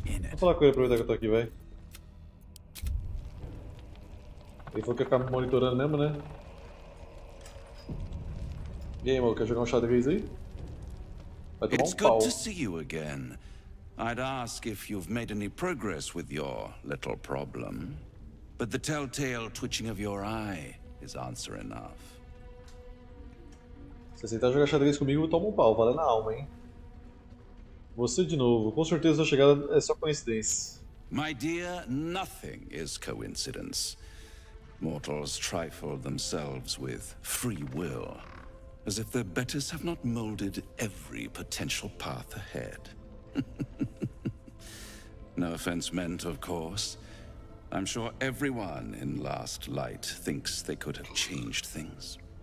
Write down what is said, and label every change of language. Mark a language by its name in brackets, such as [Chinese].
[Portuguese] Vou falar com ele, aproveitar que eu tô aqui, velho. Ele falou que ia ficar monitorando mesmo, né? E aí, mano, quer jogar um xadrez aí? Vai tomar um pau. É bom te ver de novo. Eu perguntaria se você fez progresso com seu pequeno problema. Mas o [English] telltale twitching of your eye is answer enough. [Portuguese] Se você tentar jogar xadrez comigo, toma um pau, valendo a alma, hein? Você de novo, com certeza sua chegada é só coincidência. [English] My dear, nothing is coincidence. Mortals trifle themselves with free will, as if their betters have not molded every potential path ahead. No offense meant, of course. I'm sure everyone in Last Light thinks they could have changed things.